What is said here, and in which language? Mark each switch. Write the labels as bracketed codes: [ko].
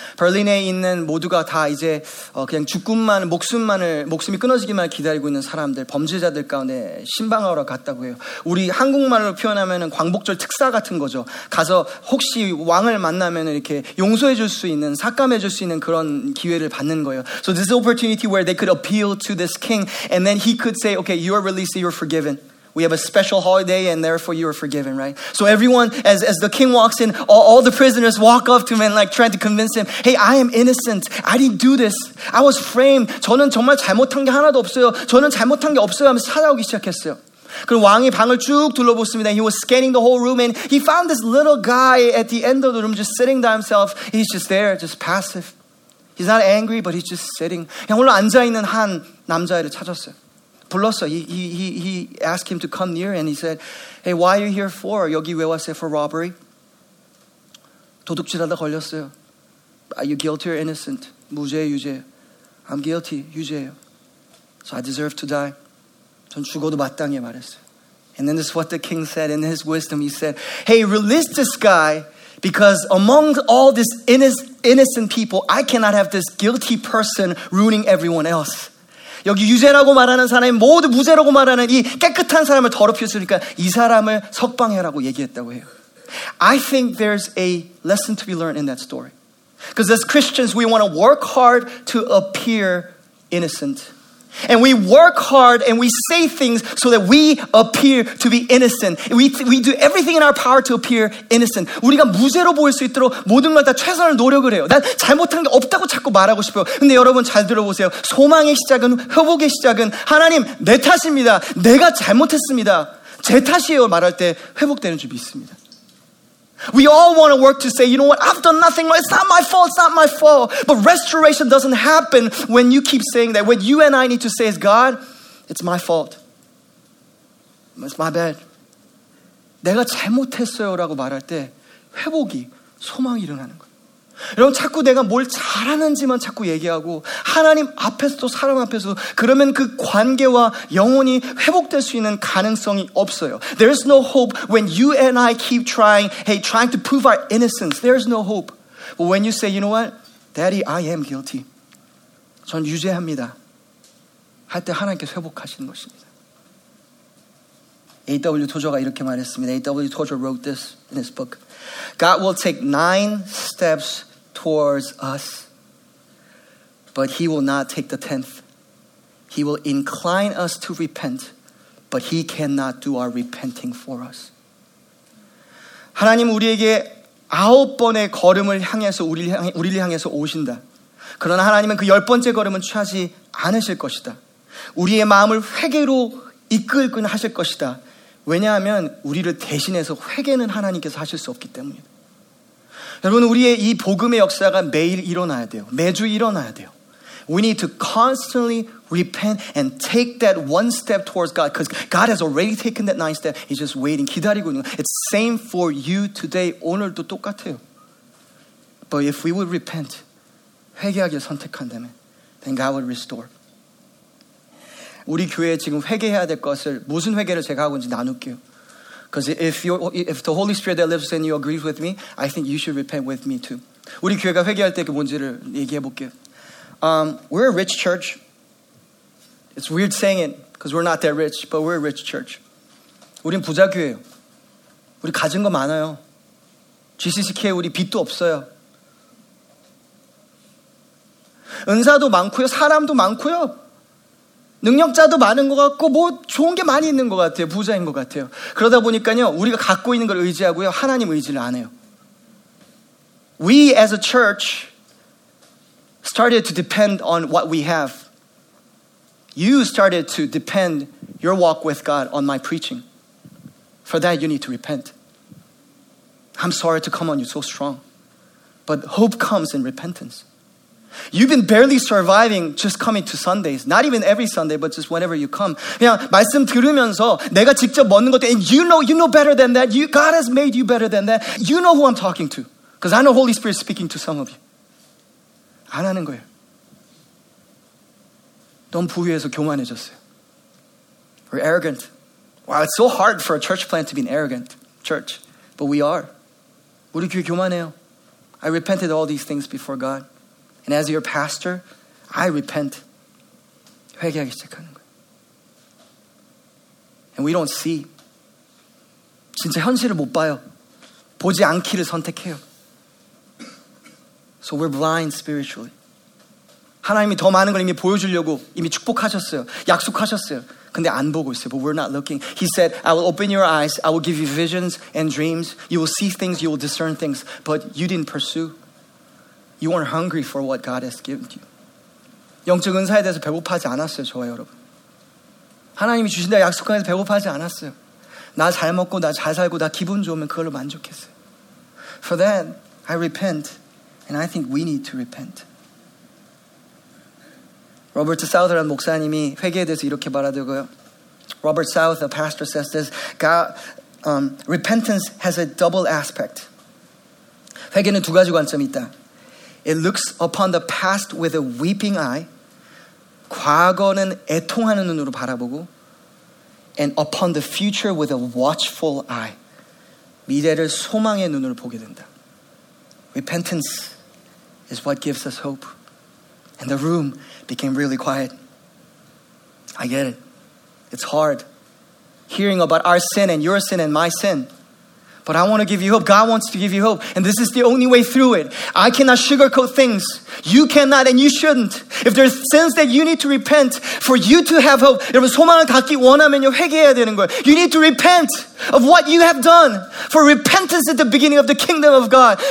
[ko] Berlin에 있는 모두가 다 이제 그냥 죽음만 목숨만을 목숨이 끊어지기만 기다리고 있는 사람들, 범죄자들 가운데 신방하러 갔다고 해요. 우리 한국말로 표현하면은 광복절 특사 같은 거죠. 가서 혹시 왕을 만나면 이렇게 용서해 줄 수 있는, 삭감해 줄 수 있는 그런 기회를 받는 거예요. [en] So this is an opportunity where they could appeal to this king and then he could say, okay, you are released, you are forgiven. We have a special holiday and therefore you are forgiven, right? So everyone, as the king walks in, all the prisoners walk up to him and like trying to convince him, hey, I am innocent. I didn't do this. I was framed. [ko] 저는 정말 잘못한 게 하나도 없어요. 저는 잘못한 게 없어요 하면서 찾아오기 시작했어요. 그 왕이 방을 쭉 둘러보았습니다. [en] He was scanning the whole room and he found this little guy at the end of the room just sitting by himself. He's just there, just passive. He's not angry, but he's just sitting. [ko] 그냥 홀로 앉아 있는 한 남자애를 찾았어요. 불렀어. [en] He asked him to come near and he said, "Hey, why are you here for? [ko] 여기 왜 왔어요? [en] For robbery? [ko] 도둑질하다 걸렸어요. [en] Are you guilty or innocent? [ko] 무죄예요, 유죄예요. [en] I'm guilty, [ko] 유죄예요. [en] So I deserve to die. [ko] 전 죽어도 마땅해 말했어요. [en] And then this is what the king said in his wisdom. He said, "Hey, release this guy because among all this innocent people, I cannot have this guilty person ruining everyone else." [ko] 여기 유죄라고 말하는 사람이 모두 무죄라고 말하는 이 깨끗한 사람을 더럽혔으니까 이 사람을 석방해라고 얘기했다고 해요. [en] I think there's a lesson to be learned in that story. Because as Christians, we want to work hard to appear innocent. And we work hard and we say things so that we appear to be innocent. We do everything in our power to appear innocent. [ko] 우리가 무죄로 보일 수 있도록 모든 걸 다 최선을 노력을 해요. 난 잘못한 게 없다고 자꾸 말하고 싶어요. 근데 여러분 잘 들어보세요. 소망의 시작은 회복의 시작은 하나님 내 탓입니다. 내가 잘못했습니다. 제 탓이에요 말할 때 회복되는 줄 믿습니다. [en] We all want to work to say, you know what, I've done nothing wrong. It's not my fault, it's not my fault. But restoration doesn't happen when you keep saying that. What you and I need to say is, God, it's my fault. It's my bad. [ko] 내가 잘못했어요라고 말할 때 회복이, 소망이 일어나는 거예요. 여러분, 자꾸 내가 뭘 잘하는지만 자꾸 얘기하고 하나님 앞에서도 사람 앞에서도 그러면 그 관계와 영혼이 회복될 수 있는 가능성이 없어요. [en] There is no hope when you and I keep trying to prove our innocence. There is no hope. But when you say, you know what? Daddy, I am guilty. [ko] 전 유죄합니다. 할 때 하나님께서 회복하시는 것입니다. [en] A.W. Tozer가 [ko] 이렇게 말했습니다. [en] A.W. Tozer wrote this in his book. God will take 9 steps towards us. But he will not take the 10th. He will incline us to repent, but he cannot do our repenting for us. [ko] 하나님 우리에게 아홉 번의 걸음을 향해서 우리를 향해서 오신다. 그러나 하나님은 그 열 번째 걸음은 취하지 않으실 것이다. 우리의 마음을 회개로 이끌고는 하실 것이다. 왜냐하면 우리를 대신해서 회개는 하나님께서 하실 수 없기 때문이다. 여러분 우리의 이 복음의 역사가 매일 일어나야 돼요. 매주 일어나야 돼요. [en] We need to constantly repent and take that one step towards God because God has already taken that 9 step. He's just waiting, [ko] 기다리고 있는 거예요. [en] It's same for you today, [ko] 오늘도 똑같아요. [en] But if we would repent, [ko] 회개하기를 선택한다면, [en] then God would restore. [ko] 우리 교회에 지금 회개해야 될 것을 무슨 회개를 제가 하고 있는지 나눌게요. [en] Because if the Holy Spirit that lives in you agrees with me, I think you should repent with me too. [ko] 우리 교회가 회개할 때 그 뭔지를 얘기해 볼게요. [en] We're a rich church. It's weird saying it because we're not that rich, but we're a rich church. [ko] 우린 부자 교회예요. 우리 가진 거 많아요. GCCK에 우리 빚도 없어요. 은사도 많고요. 사람도 많고요. 능력자도 많은 것 같고 뭐 좋은 게 많이 있는 것 같아요. 부자인 것 같아요. 그러다 보니까요. 우리가 갖고 있는 걸 의지하고요. 하나님 의지를 안 해요. [en] We as a church started to depend on what we have. You started to depend your walk with God on my preaching. For that, you need to repent. I'm sorry to come on you so strong. But hope comes in repentance. You've been barely surviving just coming to Sundays. Not even every Sunday, but just whenever you come. [ko] 그냥 말씀 들으면서 내가 직접 먹는 것도 [en] And you know better than that. God has made you better than that. You know who I'm talking to. Because I know Holy Spirit speaking to some of you. [ko] 안 하는 거예요. 너무 부유해서 교만해졌어요. [en] We're arrogant. Wow, it's so hard for a church plant to be an arrogant church. But we are. [ko] 우리 교회 교만해요. [en] I repented all these things before God. And as your pastor, I repent. [ko] 회개하기 시작하는 거예요. [en] And we don't see. [ko] 진짜 현실을 못 봐요. 보지 않기를 선택해요. [en] So we're blind spiritually. [ko] 하나님이 더 많은 걸 이미 보여주려고 이미 축복하셨어요. 약속하셨어요. 근데 안 보고 있어요. [en] But we're not looking. He said, I will open your eyes. I will give you visions and dreams. You will see things. You will discern things. But you didn't pursue. You weren't hungry for what God has given you. [ko] 영적 은사에 대해서 배고파하지 않았어요, 저와 여러분. 하나님이 주신 다 약속한 데서 배고파하지 않았어요. 나 잘 먹고 나 잘 살고 나 기분 좋으면 그걸로 만족했어요. [en] For that, I repent. And I think we need to repent. [ko] 로버트 사우드라는 목사님이 회개에 대해서 이렇게 말하더라고요. [en] Robert South, the pastor, says this, repentance has a double aspect. [ko] 회개는 두 가지 관점이 있다. [en] It looks upon the past with a weeping eye. [ko] 과거는 애통하는 눈으로 바라보고 [en] and upon the future with a watchful eye. [ko] 미래를 소망의 눈으로 보게 된다. [en] Repentance is what gives us hope. And the room became really quiet. I get it. It's hard hearing about our sin and your sin and my sin. But I want to give you hope. God wants to give you hope. And this is the only way through it. I cannot sugarcoat things. You cannot and you shouldn't. If there's sins that you need to repent for you to have hope. [ko] 여러분, 소망을 갖기 원하면요, 회개해야 되는 거예요. [en] You need to repent of what you have done. For repentance is the beginning of the kingdom of God.